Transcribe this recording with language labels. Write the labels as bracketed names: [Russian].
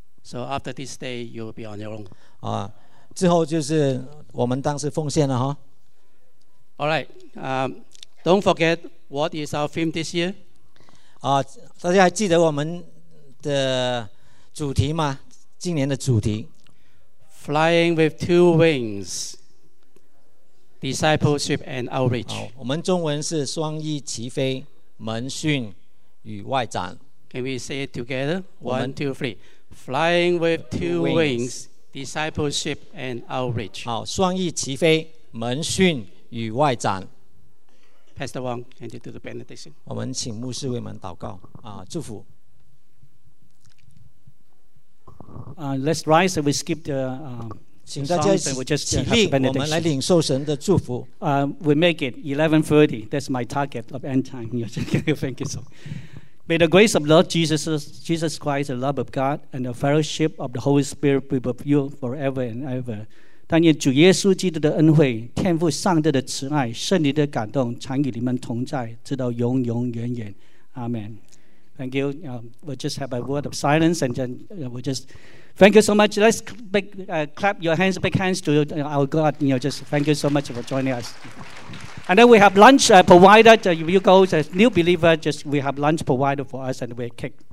[English] So after this day, you'll be on your own. [Chinese] 啊，之后就是我们当时奉献了哈。 [English] All right. Don't forget what is our theme this year. [Chinese] 啊，大家还记得我们的主题吗？今年的主题。 [English] Flying with two wings. Discipleship and outreach. [Chinese] 好，我们中文是双翼齐飞，门训与外展。 [English] Can we say it together? One, two, three. Flying with two wings, discipleship and outreach. [Chinese] 好，双翼齐飞，门训与外展。 [English] Pastor Wong, can you do the benediction? [Chinese] 我们请牧师为我们祷告，啊，祝福。 [English] Let's rise and we skip the song and we'll just have the benediction. [Chinese] 我们来领受神的祝福。 [English] We make it 11:30. That's my target of end time. Thank you so much. May the grace of Lord Jesus Christ, the love of God, and the fellowship of the Holy Spirit be with you forever and ever. [Chinese] 但愿主耶稣基督的恩惠、天父上帝的慈爱、圣灵的感动常与你们同在，直到永永远远。 [English] Amen. Thank you. We'll just have a word of silence, and then we'll just thank you so much. Let's clap your hands, big hands to our God. Just thank you so much for joining us. And then we have lunch provided. If you go as a new believer, just we have lunch provided for us and we have cake.